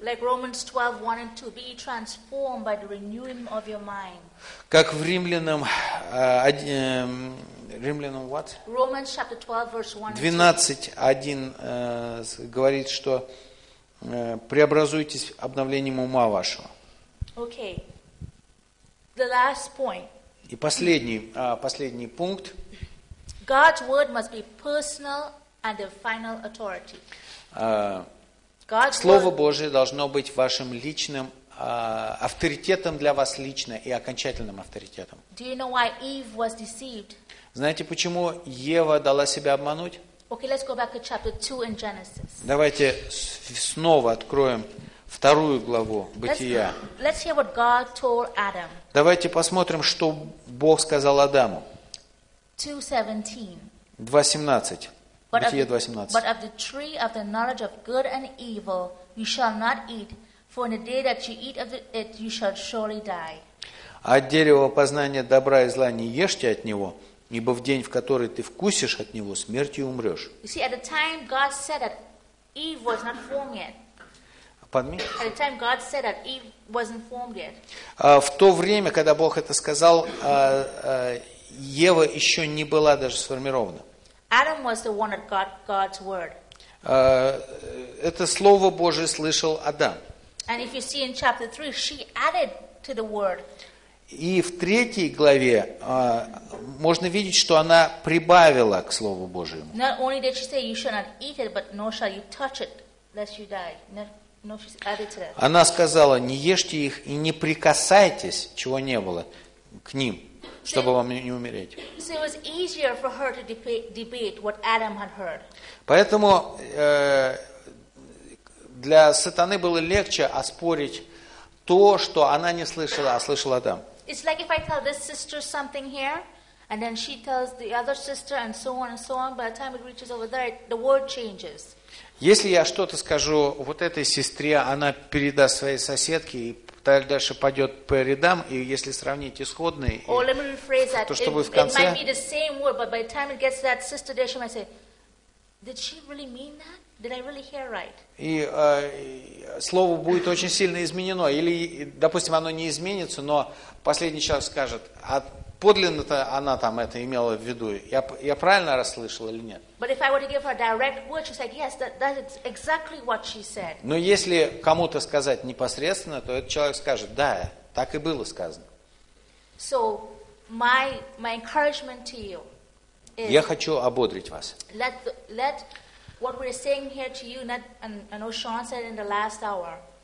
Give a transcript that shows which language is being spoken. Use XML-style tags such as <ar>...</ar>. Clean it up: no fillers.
<en>Like Romans 12, 1 and 2, be transformed by the renewing of your mind.</en> <ru>Как в Римлянам, Римлянам what?</ru> <en>Romans chapter 12, verse 1.</en> <ru>12:1 говорит, что преобразуйтесь обновлением ума вашего.</ru> <en>Okay. The last point.</en> <ru>И последний пункт.</ru> <en>God's word must be personal and the final authority.</en> <ru>Слово Божие должно быть вашим личным авторитетом для вас лично и окончательным авторитетом.</ru> <en>Do you know why Eve was deceived?</en> <ru>Знаете, почему Ева дала себя обмануть?</ru> <en>Okay, let's go back to chapter 2 in Genesis.</en> <ru>Давайте снова откроем вторую главу Бытия.</ru> <en>Let's hear what God told Adam.</en> <ru>Давайте посмотрим, что Бог сказал Адаму.</ru> <en>2:17.</en> <ru>2:17.</ru> <en>But of the tree of the knowledge of good and evil you shall not eat, for in the day that you eat of it you shall surely die.</en> <ru>От дерева познания добра и зла не ешьте от него, ибо в день, в который ты вкусишь от него, смертью умрешь.</ru> <en>You see, at the time God said that Eve was not formed yet. At the time God said that Eve wasn't formed yet.</en> <ru>В то время, когда Бог это сказал, Ева еще не была даже сформирована.</ru> <en>Adam was the one that got God's word.</en> <ru>Это слово Божие слышал Адам.</ru> <en>And if you see in chapter 3, she added to the word.</en> <ru>И в третьей главе можно видеть, что она прибавила к Слову Божьему.</ru> <en>Not only did she say you shall not eat it, but nor shall you touch it, lest you die. No, she added to that.</en> <ru>Она сказала, не ешьте их и не прикасайтесь, чего не было, к ним, чтобы вам не умереть.</ru> <en>So it was easier for her to debate what Adam had heard.</en> <ru>Поэтому для сатаны было легче оспорить то, что она не слышала, а слышала Адам.</ru> <en>It's like if I tell this sister something here, and then she tells the other sister, and so on and so on. By the time it reaches over there, the word changes.</en> <ru>Если я что-то скажу вот этой сестре, она передаст своей соседке, и дальше пойдет по рядам, и если сравнить исходные, то что будет в конце?</ru> <en>It might be the same word, but by the time it gets to that sister, she might say, "Did she really mean that? Did I really hear right?"</en> <ru>И слово будет очень сильно изменено. Или, допустим, оно не изменится, но последний человек скажет, а подлинно-то она там это имела в виду. Я правильно расслышал или нет?</ru> <en>But if I were to give her a direct word, she said, yes, that is exactly what she said.</en> <ru>Но если кому-то сказать непосредственно, то этот человек скажет, да, так и было сказано.</ru> <en>So, my encouragement to you is...</en> <ru>Я хочу ободрить вас.</ru> <en>Let what we're saying here to you, and O'Shawn said in the last hour.</en>